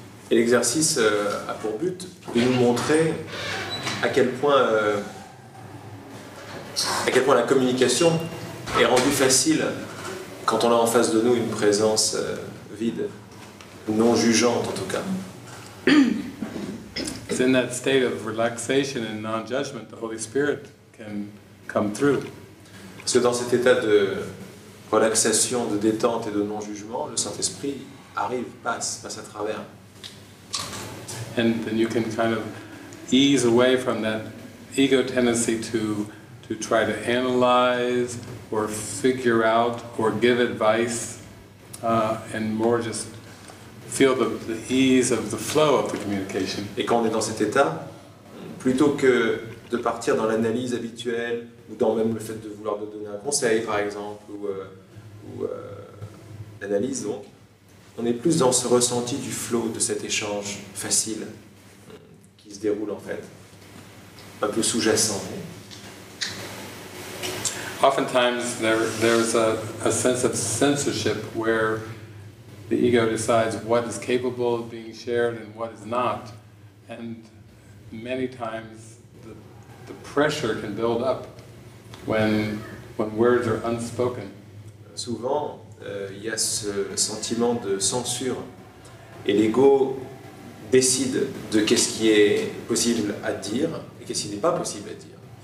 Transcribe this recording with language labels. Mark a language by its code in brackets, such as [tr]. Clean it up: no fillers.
[fr] Et l'exercice a pour but de nous montrer à quel point la communication est rendue facile quand on a en face de nous une présence vide, non jugeante en tout cas. [en] It's in that state of relaxation and non-judgment the Holy Spirit can come through. [fr] Parce que dans cet état de relaxation, de détente et de non-jugement, le Saint-Esprit arrive, passe à travers. [en] And then you can kind of ease away from that ego tendency to try to analyze or figure out or give advice and more just feel the ease of the flow of the communication. [fr] Et quand on est dans cet état, plutôt que de partir dans l'analyse habituelle ou dans même le fait de vouloir de donner un conseil par exemple ou analyse donc, on est plus dans ce ressenti du flow de cet échange facile qui se déroule en fait, un peu sous-jacent. [en] Oftentimes there's a sense of censorship where the ego decides what is capable of being shared and what is not, and many times the pressure can build up when words are unspoken. [fr] Souvent il y a ce sentiment de censure et l'ego décide de qu'est-ce qui est possible à dire et qu'est-ce qui n'est pas possible à dire.